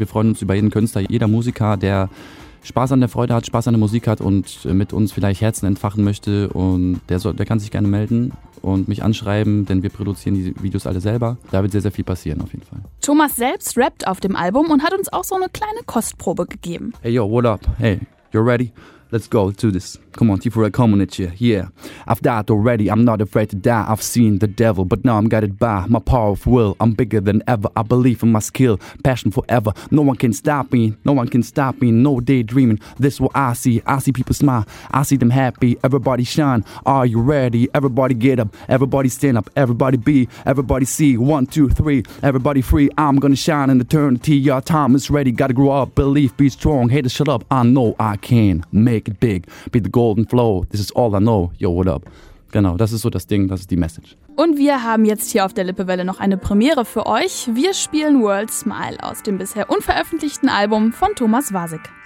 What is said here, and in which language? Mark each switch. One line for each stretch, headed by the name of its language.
German: Wir freuen uns über jeden Künstler, jeder Musiker, der Spaß an der Freude hat, Spaß an der Musik hat und mit uns vielleicht Herzen entfachen möchte und der kann sich gerne melden und mich anschreiben, denn wir produzieren die Videos alle selber. Da wird sehr, sehr viel passieren auf jeden Fall. Thomas selbst rappt auf dem Album und hat uns auch so eine kleine Kostprobe gegeben.
English: Hey yo, what up? Hey, you're ready? Let's go to this. Come on, T4L, come on it, yeah. I've died already, I'm not afraid to die. I've seen the devil, but now I'm guided by my power of will. I'm bigger than ever, I believe in my skill. Passion forever, no one can stop me. No one can stop me, no daydreaming. This what I see people smile. I see them happy, everybody shine. Are you ready? Everybody get up. Everybody stand up, everybody be. Everybody see, one, two, three. Everybody free, I'm gonna shine in eternity. Your time is ready, gotta grow up. Believe, be strong, hate to shut up. I know I can make it big, be the golden flow, this is all I know, yo, what up?
German: Genau, das ist so das Ding, das ist die Message. Und wir haben jetzt hier auf der Lippewelle noch eine Premiere für euch. Wir spielen World Smile aus dem bisher unveröffentlichten Album von Thomas Wasik.